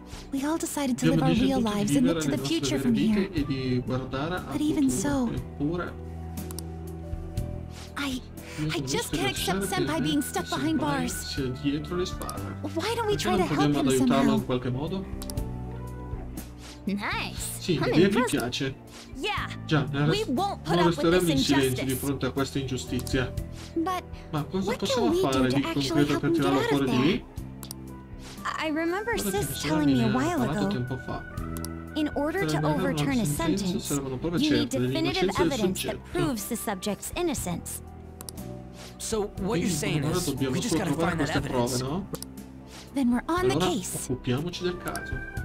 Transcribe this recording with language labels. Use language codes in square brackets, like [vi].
[en] We all decided to live our real lives and look to the future from here. But even so... I just can't accept Senpai being stuck behind bars. Why don't we try to help him somehow? [it] Sì, mi piace. Già, non resteremo in silenzio di fronte a questa ingiustizia. Ma cosa possiamo fare di concreto per tirarlo fuori di lì? [en] I remember sis telling me a while ago. In order to overturn a sentence, you need definitive evidence that proves the subject's innocence. So what you're saying is we just gotta find that evidence, no? Then we're on the case. [it] Occupiamoci del caso.